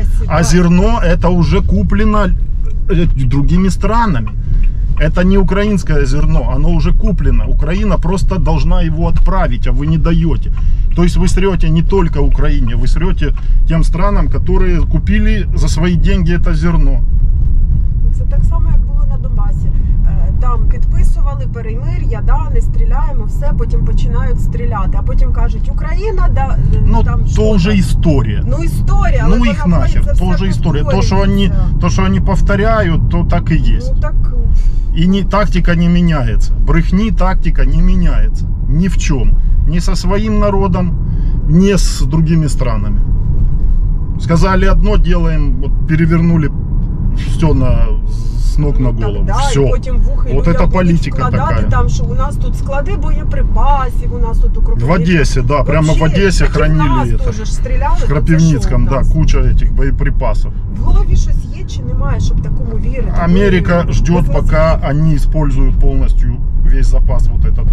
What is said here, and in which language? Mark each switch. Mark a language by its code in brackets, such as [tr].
[ru] А зерно это уже куплено другими странами. Это не украинское зерно, оно уже куплено. Украина просто должна его отправить, а вы не даете. То есть вы срете не только Украине, вы срете тем странам, которые купили за свои деньги это зерно. [uk] Це так само, як було на Донбасі. Там підписували перемир'я, да, не стріляємо, все, потім починають стріляти. А потім кажуть, Україна, да, ну, там то що? Вже історія. Ну, історія, ну, їх нахер, то вже історія. То, що вони повторяють, то так і є. Ну, так. І ні, тактика не міняється. Брехні, тактика не міняється. Ні в чому. Ні зі своїм народом, ні з іншими странами. Сказали одно, робимо, от перевернули все на... [ru] с ног на голову. [uk] Так, да, все. Потім в ухи, [ru] вот это політика такая. [uk] Там, що у нас тут склади боєприпасів, у нас тут укрепили. В Одесі, да, прямо в Одесі [ru] хранили это. [uk] В Кропивницьком, да, [ru] куча этих [uk] боєприпасів. В голові щось є чи немає, щоб такому вірити? [ru] Америка ждет, пока они используют полностью весь запас вот этот.